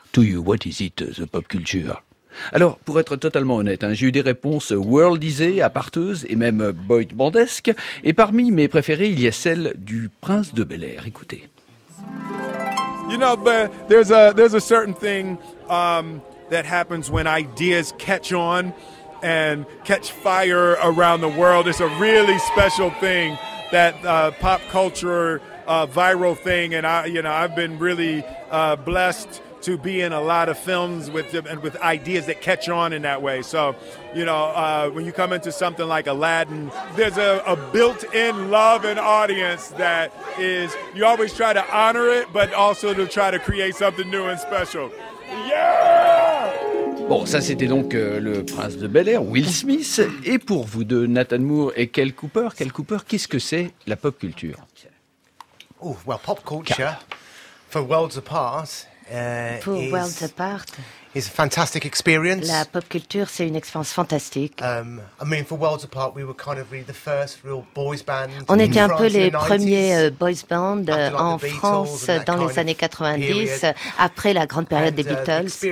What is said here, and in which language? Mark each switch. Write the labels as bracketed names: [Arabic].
[English] To you, what is it, the pop culture? [French] Alors, pour être totalement honnête, j'ai eu des réponses worldisées, aparteuses et même boy-bandesques. Et parmi mes préférées, il y a celle du Prince de Bel-Air. Écoutez... [English] You know, but there's a certain thing that happens when ideas catch on and catch fire around the world. It's a really special thing, that pop culture viral thing. And I've been really blessed to be in a lot of films with ideas that catch on in that way. So, you know, when you come into something like Aladdin, there's a built-in love and audience that is, you always try to honor it, but also to try to create something new and special. Yeah! [French] Bon, ça c'était donc le prince de Bel-Air, Will Smith. Et pour vous deux, Nathan Moore et Kel Cooper, qu'est-ce que c'est la pop culture? [English] Oh, well, pop culture, for worlds apart... [French] Pour Worlds Apart, [English] is a fantastic experience. [French] La pop culture, c'est une expérience fantastique. [English] For Worlds Apart, we were kind of really the first real boys band. [French] On était un peu les premiers boys band en France dans les années 90, après la grande période des Beatles.